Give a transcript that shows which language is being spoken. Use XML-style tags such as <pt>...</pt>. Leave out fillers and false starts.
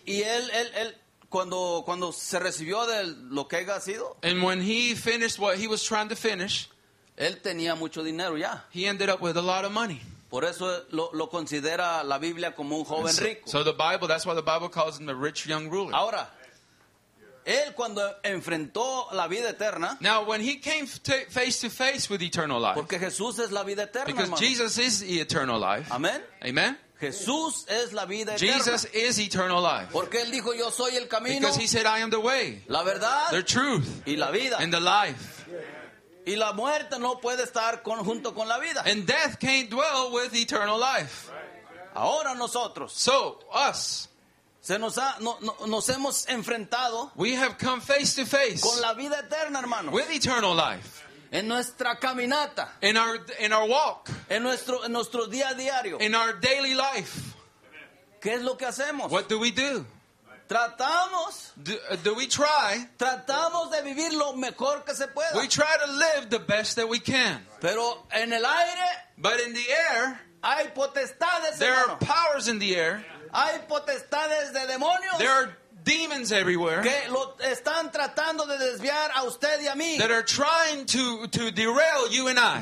<es>Y él cuando se recibió de lo que haya sido,</es> <en>and when he finished what he was trying to finish,</en> <es>él tenía mucho dinero ya.</es> <en>He ended up with a lot of money.</en> <es>Por eso lo considera la Biblia como un joven rico.</es> <en>So the Bible, that's why the Bible calls him a rich young ruler.</en> <es>Ahora, él cuando enfrentó la vida eterna.</es> <en>Now, when he came face to face with eternal life.</en> <es>Porque Jesús es la vida eterna,</es> <en>because</en> <es>hermano.</es> <en>Jesus is the eternal life.</en> <es>Amen.</es> <en>Amen.</en> <es>Jesús es la vida eterna.</es> <en>Jesus is eternal life.</en> <es>Porque él dijo, yo soy el camino.</es> <en>Because he said, I am the way.</en> <es>La verdad.</es> <en>The truth.</en> <es>Y la vida.</es> <en>And the life.</en> <es>Y la muerte no puede estar junto con la vida.</es> <en>And death can't dwell with eternal life.</en> <es>Ahora nosotros.</es> <en>So, us.</en> <es>Nos hemos enfrentado.</es> <en>We have come face to face.</en> <es>Con la vida eterna, hermanos.</es> <en>With eternal life.</en> <es>En nuestra caminata.</es> <en>In our walk.</en> <es>En nuestro día a diario.</es> <en>In our daily life.</en> <es>¿Qué es lo que hacemos?</es> <en>What do we do?</en> <es>Tratamos.</es> <en>Do we try?</en> <es>Tratamos de vivir lo mejor que se pueda.</es> <en>We try to live the best that we can.</en> <es>Pero en el aire.</es> <en>But in the air.</en> <es>Hay potestades,</es> <en>there</en> <es>hermano.</es> <en>Are powers in the air.</en> <es>Hay potestades de demonios.</es> <en>There are demons everywhere.</en> <es>Que lo están tratando de desviar a usted y a mí.</es> <en>That are trying to derail you and I.</en>